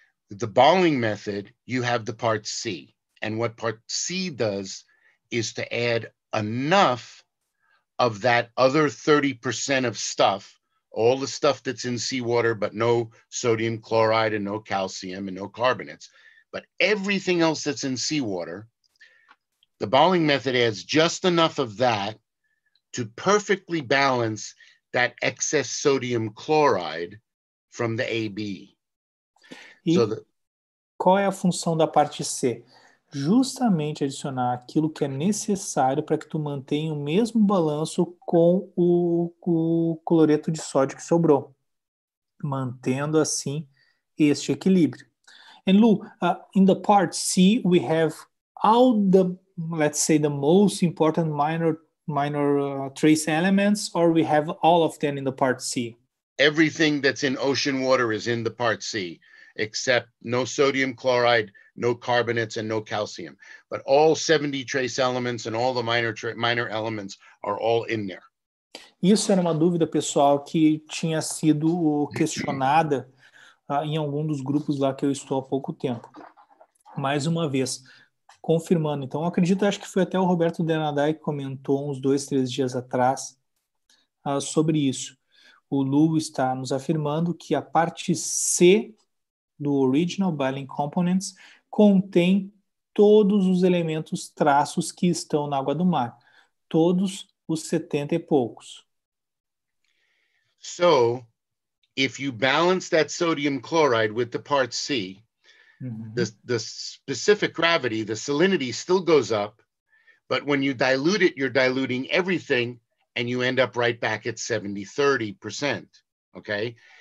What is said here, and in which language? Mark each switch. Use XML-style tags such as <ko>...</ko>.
<en>The Balling method, you have the part C. And what part C does is to add enough of that other 30% of stuff, all the stuff that's in seawater, but no sodium chloride and no calcium and no carbonates, but everything else that's in seawater, the Balling method adds just enough of that to perfectly balance that excess sodium chloride from the AB.</en> <pt>Qual é a função da parte C? Justamente adicionar aquilo que é necessário para que tu mantenha o mesmo balanço com o cloreto de sódio que sobrou, mantendo assim este equilíbrio.</pt> <en>And Lou, in the part C, we have all the, let's say, the most important minor trace elements, or we have all of them in the part C? Everything that's in ocean water is in the part C, except no sodium chloride, no carbonates, and no calcium. But all 70 trace elements and all the minor elements are all in there.</en> <pt>Isso era uma dúvida, pessoal, que tinha sido questionada em algum dos grupos lá que eu estou há pouco tempo. Mais uma vez, confirmando. Então, eu acredito, acho que foi até o Roberto Denadai que comentou uns 2-3 dias atrás sobre isso. O Lu está nos afirmando que a parte C do Original Balling Components contém todos os elementos traços que estão na água do mar, todos os 70 e poucos.</pt> <en>So, if you balance that sodium chloride with the part C, the specific gravity, the salinity still goes up, but when you dilute it, you're diluting everything and you end up right back at 70-30%, okay?</en>